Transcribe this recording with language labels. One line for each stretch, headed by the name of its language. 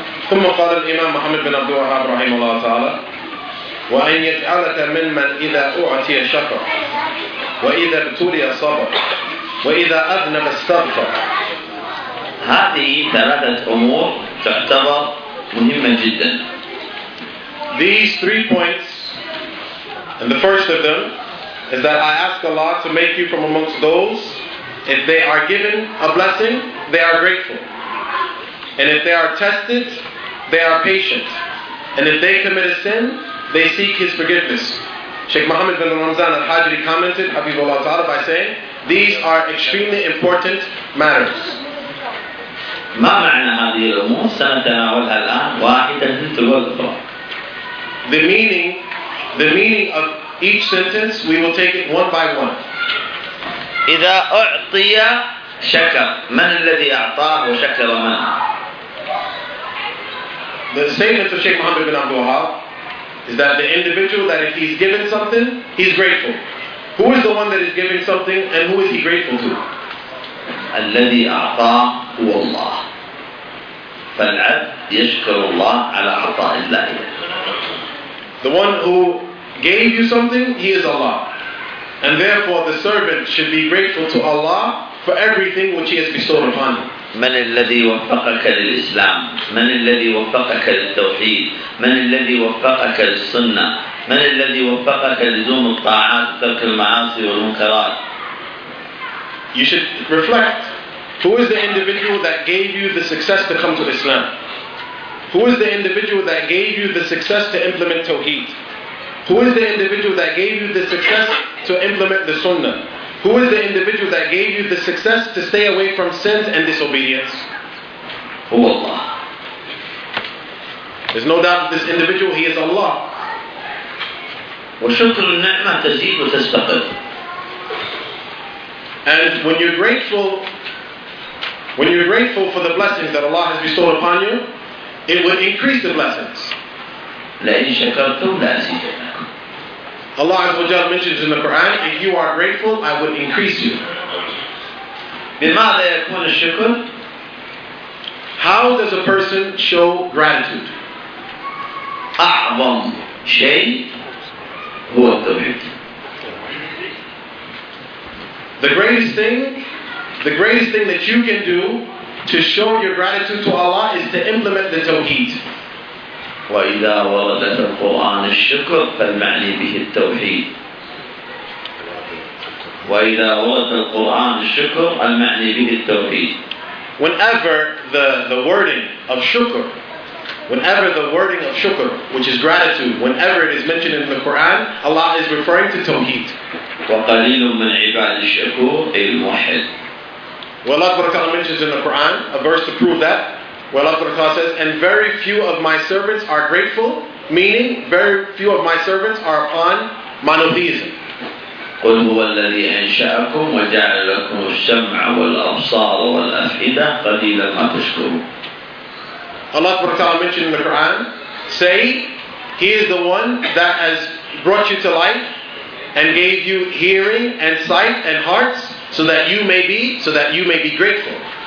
Arabic: ثم قال الإمام محمد بن عبد الوهاب رحمه الله تعالى: وأن يجعلك ممن إذا أعطي شكر، وإذا ابتلي صبر، وإذا أذنب استغفر. هذه ثلاثة أمور تعتبر مهمة جدا.
English: These three points, and the first of them is that I ask Allah to make you from amongst those, if they are given a blessing, they are grateful. And if they are tested, they are patient. And if they commit a sin, they seek His forgiveness. Sheikh Muhammad bin Ramzan al-Hajri commented, Habibullah ta'ala, by saying, these are extremely important matters.
Arabic: ما معنى هذه الأمور؟ سنتناولها الآن واحدة تلو الأخرى.
English: The meaning of each sentence, we will take it one by one.
Arabic: إذا أعطي شكر، من الذي أعطاه وشكر من؟
English: The statement of Sheikh Muhammad bin Abdul Wahab is that the individual, that if he's given something, he's grateful. Who is the one that is giving something and who is he grateful to?
Arabic: الذي أعطاه هو الله. فالعبد يشكر الله على عطاء الله.
English: The one who gave you something, he is Allah. And therefore the servant should be grateful to Allah for everything which he has bestowed upon him.
Arabic: من الذي وفقك للإسلام؟ من الذي وفقك للتوحيد؟ من الذي وفقك للسنة؟ من الذي وفقك لزوم الطاعات وترك المعاصي والمنكرات؟
English: You should reflect, who is the individual that gave you the success to come to Islam? Who is the individual that gave you the success to implement Tawheed? Who is the individual that gave you the success to implement the Sunnah? Who is the individual that gave you the success to stay away from sins and disobedience? Who Allah. There's no doubt this individual, he is Allah.
Arabic: وشكر النعمة تزيد وتستقل.
English: And when you're grateful for the blessings that Allah has bestowed upon you, it will increase the blessings.
Arabic: لَئِن شَكَرْتُمْ لَأَزِيدَنَّكُمْ.
English: Allah Azza wa Jalla mentions in the Quran, if you are grateful, I would increase you.
Arabic: بِمَاذَا يَكُونَ الشُّكُرُ.
English: How does a person show gratitude?
Arabic: أَعْظَمْ شَيْءٍ هُوَ التَّوْحِيدُ.
English: The greatest thing that you can do to show your gratitude to Allah is to implement the Tawheed.
Arabic: وإذا ورد في القرآن الشكر فالمعني به التوحيد. وإذا ورد في القرآن الشكر المعني به التوحيد.
English: Whenever the wording of shukr, whenever the wording of shukr, which is gratitude, whenever it is mentioned in the Quran, Allah is referring to Tawheed.
Arabic: وقليل من عباد الشكور الموحد.
English: Well, Allah Subhanahu wa Ta'ala mentions in the Quran a verse to prove that. Well, Allah Subhanahu wa Ta'ala says, and very few of my servants are grateful, meaning very few of my servants are upon monotheism.
Arabic: قل هو الذي أنشأكم وجعل لكم السمع والأبصار والأفئدة قليلا ما تشكرون.
English: Allah Subhanahu wa Ta'ala mentioned in the Quran, say, He is the one that has brought you to life and gave you hearing and sight and hearts so that you may be grateful.